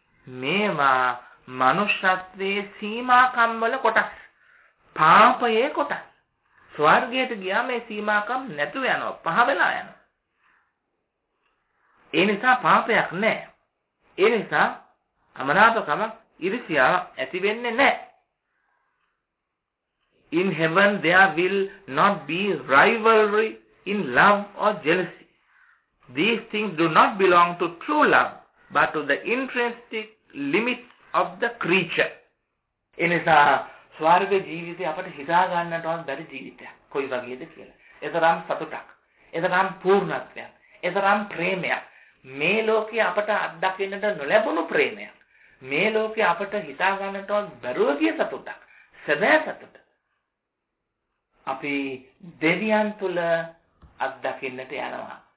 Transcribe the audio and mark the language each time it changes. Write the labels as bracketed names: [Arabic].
[Sinhala] මේවා මනුෂ්‍යත්වයේ සීමාකම් වල කොටස්, පාපයේ කොටස්. ස්වර්ගයට ගියාම මේ සීමාකම් නැතුව යනවා, පහ වෙලා යනවා. ඒ නිසා පාපයක් නැහැ. ඒ නිසා අමනාපකම ඉරිසියා ඇති වෙන්නේ නැහැ. [English] In heaven there will not be rivalry in love or jealousy. These things do not belong to true love but to the intrinsic limits of the creature. [Sinhala] එනිසා ස්වර්ග ජීවිතය අපට හිතා ගන්නටවත් බැරි ජීවිතයක් කොයි වගේද කියලා. එතරම් සතුටක්, එතරම් පූර්ණත්වයක්, එතරම් ප්‍රේමයක්, මේ ලෝකයේ අපට අත්දකින්නට නොලැබුණු ප්‍රේමයක්, මේ ලෝකයේ අපට හිතා ගන්නටවත් බැරුව ගිය සතුටක්, සැබෑ සතුට අපි දෙවියන් තුළ අත්දකින්නට යනවා.